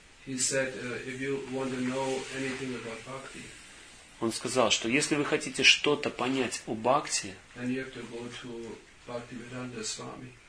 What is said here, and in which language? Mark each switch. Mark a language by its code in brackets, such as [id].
[en] He said, if you want to know anything about bhakti. [ru] Он сказал, что если вы хотите что-то понять о бхакти. [en] And you have to go to Bhaktivedanta Swami.